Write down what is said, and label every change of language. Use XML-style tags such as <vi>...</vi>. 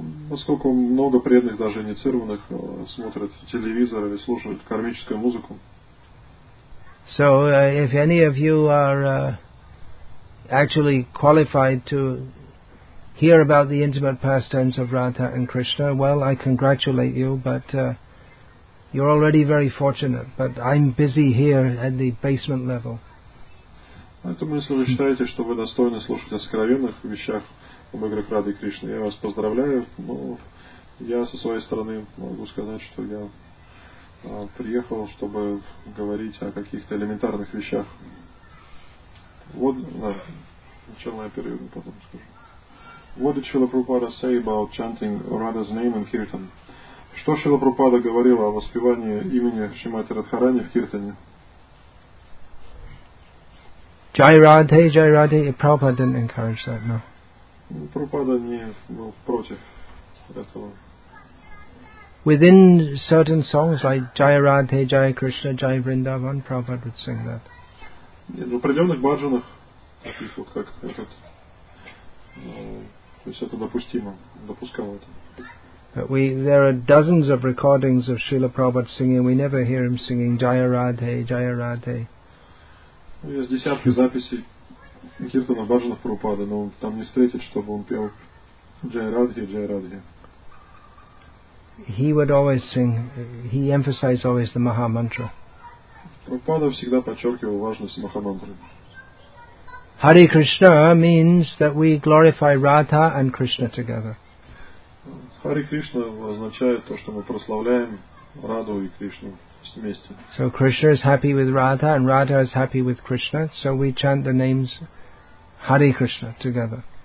<ru>Поскольку много преданных, даже инициированных, смотрят телевизор и слушают кармическую музыку.</ru> <en>So, if any of you are actually qualified to hear about the intimate pastimes of Radha and Krishna, well, I congratulate you, but you're already very fortunate, but I'm busy here at the basement level.</en> <ru>Поэтому, если вы считаете, что вы достойны слушать о сокровенных вещах об играх Рады и Кришны, я вас поздравляю, но я со своей стороны могу сказать, что я приехал, чтобы говорить о каких-то элементарных вещах. What, начальный период, потом скажу.</ru> <en>What did Srila Prabhupada say about chanting Radha's name in Kirtan?</en> <ru>Что Шрила Прабхупада говорил о воспевании имени Шримати Радхарани в Киртане?</ru> <hi>Jai Radhe, Jai Radhe.</hi> <en>Prabhupada didn't encourage that, no.</en> <ru>Прабхупада не был против этого.</ru> <en>Within certain songs like Jai Radhe, Jai Krishna, Jai Vrindavan, Prabhupada would sing that.</en> <ru>В определенных баджанах, таких вот как этот, то есть это допустимо, допускал это.</ru> <en>But we, there are dozens of recordings of Srila Prabhupada singing. We never hear him singing Jaya Radhe, Jaya Radhe.</en> <ru>Есть десятки записей Киртана Бхаджана Прабхупады, но там не встретит, чтобы он пел</ru> <hi>Jaya Radhe, Jaya Radhe.</hi> <en>He would always sing, he emphasized always the Maha Mantra.</en> <ru>Прабхупада всегда подчеркивал важность Маха Мантры.</ru> <en>Hare Krishna means that we glorify Radha and Krishna together.</en> <ru>Hare Krishna означает то, что мы прославляем Раду и Кришну вместе.</ru> <en>So Krishna is happy with Radha and Radha is happy with Krishna, so we chant the names Hare Krishna together.</en>